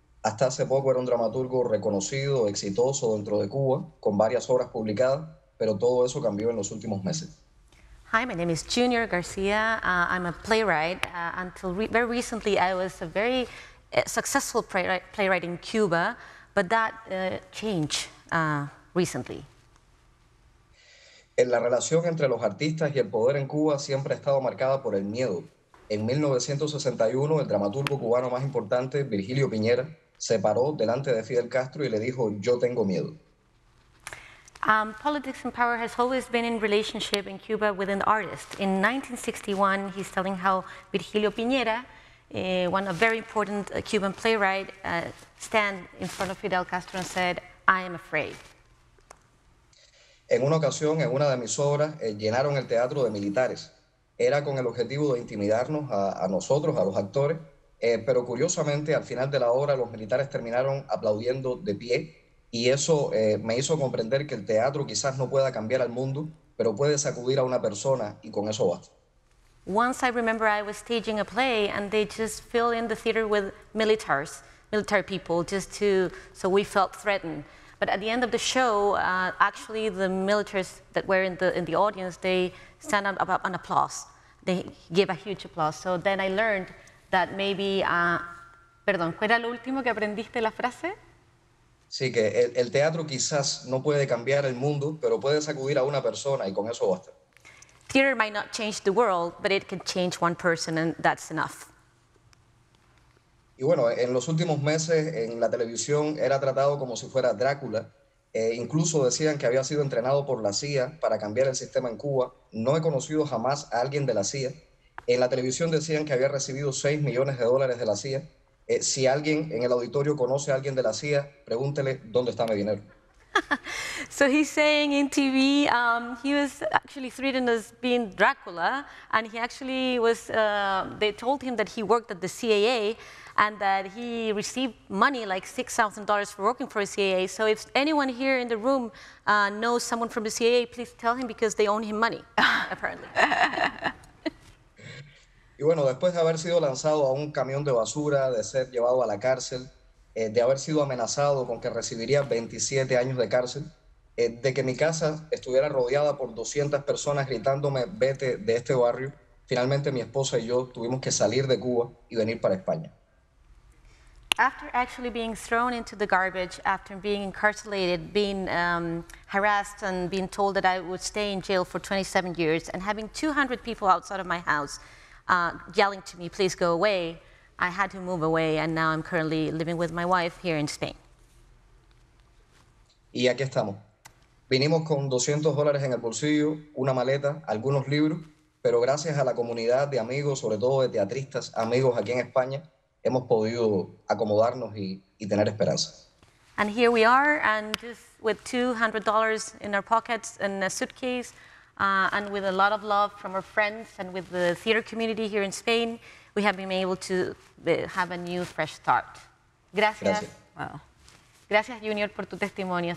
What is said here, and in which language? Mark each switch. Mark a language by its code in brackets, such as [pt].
[es] Hasta hace poco era un dramaturgo reconocido, exitoso dentro de Cuba, con varias obras publicadas, pero todo eso cambió en los últimos meses. [en] Hi, my name is Junior García. I'm a playwright. Until very recently, I was a very successful playwright in Cuba, but that changed recently. [es] En la relación entre los artistas y el poder en Cuba siempre ha estado marcada por el miedo. En 1961, el dramaturgo cubano más importante, Virgilio Piñera, se paró delante de Fidel Castro y le dijo, yo tengo miedo. [en] Politics and power has always been in relationship in Cuba with an artist. In 1961, he's telling how Virgilio Piñera, one of very important Cuban playwright, stand in front of Fidel Castro and said, I am afraid. [es] En una ocasión, en una de mis obras, llenaron el teatro de militares. Era con el objetivo de intimidarnos a nosotros, a los actores, pero curiosamente, al final de la obra, los militares terminaron aplaudiendo de pie, y eso me hizo comprender que el teatro quizás no pueda cambiar al mundo, pero puede sacudir a una persona, y con eso basta. [en] Once I remember I was staging a play, and they just filled in the theater with military people, just to, so we felt threatened. But at the end of the show, actually the militaries that were in the audience, they stand up on applause. They give a huge applause. So then I learned that maybe, [es] perdón, ¿cuál era lo último que aprendiste la frase? Sí, que el teatro quizás no puede cambiar el mundo, pero puede sacudir a una persona y con eso basta. [en] Theater might not change the world, but it can change one person and that's enough. [es] Y bueno, en los últimos meses en la televisión era tratado como si fuera Drácula. Incluso decían que había sido entrenado por la CIA para cambiar el sistema en Cuba. No he conocido jamás a alguien de la CIA. En la televisión decían que había recibido $6 millones de la CIA. Si alguien en el auditorio conoce a alguien de la CIA, pregúntele dónde está mi dinero. [en] So he's saying in TV, he was actually threatened as being Dracula, and he actually was, they told him that he worked at the CIA and that he received money like $6,000 for working for the CIA. So if anyone here in the room knows someone from the CIA, please tell him because they owe him money, apparently. [es] Y bueno, después de haber sido lanzado a un camión de basura, de ser llevado a la cárcel, de haber sido amenazado con que recibiría 27 años de cárcel, de que mi casa estuviera rodeada por 200 personas gritándome vete de este barrio, finalmente mi esposa y yo tuvimos que salir de Cuba y venir para España. [en] After actually being thrown into the garbage, after being incarcerated, being harassed and being told that I would stay in jail for 27 years and having 200 people outside of my house yelling to me, please go away, I had to move away, and now I'm currently living with my wife here in Spain. [es] Y aquí estamos. Vinimos con $200 en el bolsillo, una maleta, algunos libros, pero gracias a la comunidad de amigos, sobre todo de teatristas, amigos aquí en España, hemos podido acomodarnos y tener esperanza. [en] And here we are, and just with $200 in our pockets and a suitcase, And with a lot of love from our friends and with the theater community here in Spain, we have been able to have a new, fresh start. [es] Gracias. [en] Wow. [es] Gracias, Junior, por tu testimonio.